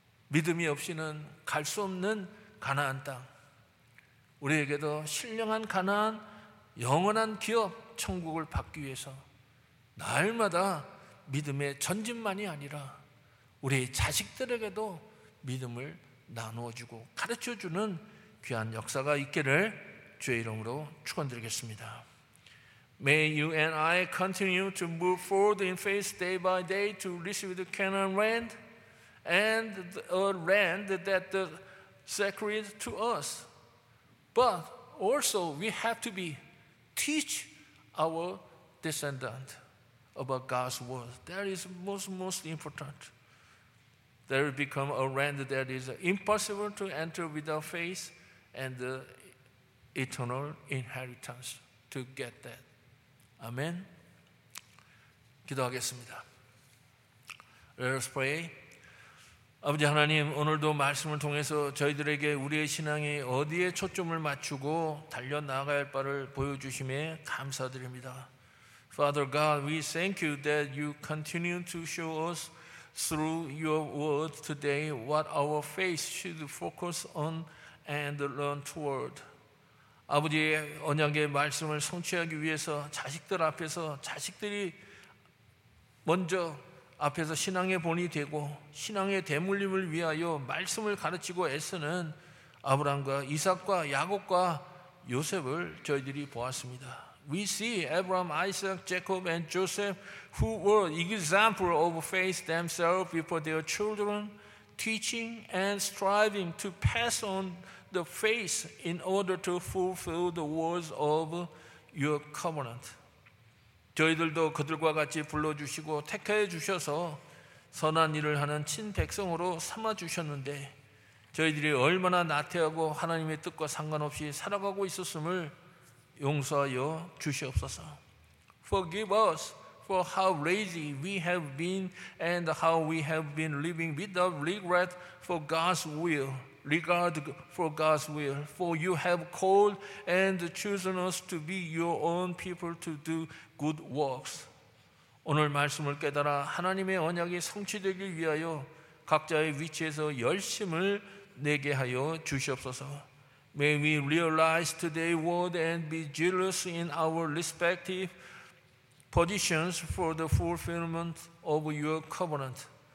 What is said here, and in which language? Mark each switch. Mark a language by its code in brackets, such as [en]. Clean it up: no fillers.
[ko] 믿음이 없이는 갈 수 없는 가나안 땅. 우리에게도 신령한 가나안, 영원한 기업, 천국을 받기 위해서 날마다 믿음의 전진만이 아니라 우리 자식들에게도 믿음을 나누어주고 가르쳐주는 귀한 역사가 있기를 주의 이름으로 축원드리겠습니다. [en] May you and I continue to move forward in faith day by day to receive the Canaan land and a land that is sacred to us. But also we have to teach our descendants about God's word. That is most important. There will become a land that is impossible to enter without faith and the eternal inheritance to get that. [ko] 아멘. 기도하겠습니다. [en] Let us pray. [ko] 아버지 하나님, 오늘도 말씀을 통해서 저희들에게 우리의 신앙이 어디에 초점을 맞추고 달려나갈 바를 보여주심에 감사드립니다. [en] Father God, we thank you that you continue to show us through your word today what our faith should focus on and learn toward. [ko] 아버지의 언약의 말씀을 성취하기 위해서 자식들 앞에서 자식들이 먼저 앞에서 신앙의 본이 되고 신앙의 대물림을 위하여 말씀을 가르치고 애쓰는 아브라함과 이삭과 야곱과 요셉을 저희들이 보았습니다. [en] We see Abraham, Isaac, Jacob, and Joseph who were example of faith themselves before their children, teaching and striving to pass on the faith in order to fulfill the words of your covenant. [ko] 저희들도 그들과 같이 불러주시고 택하여 주셔서 선한 일을 하는 친백성으로 삼아주셨는데 저희들이 얼마나 나태하고 하나님의 뜻과 상관없이 살아가고 있었음을 용서하여 주시옵소서. [en] Forgive us for how lazy we have been and how we have been living without regret for God's will. Regard for God's will, for you have called and chosen us to be your own people to do good works. [ko] 오늘 말씀을 깨달아 하나님의 언약이 성취되길 위하여 각자의 위치에서 열심을 내게 하여 주시옵소서. [en] May we realize today's word and be zealous in our respective positions for the fulfillment of your covenant.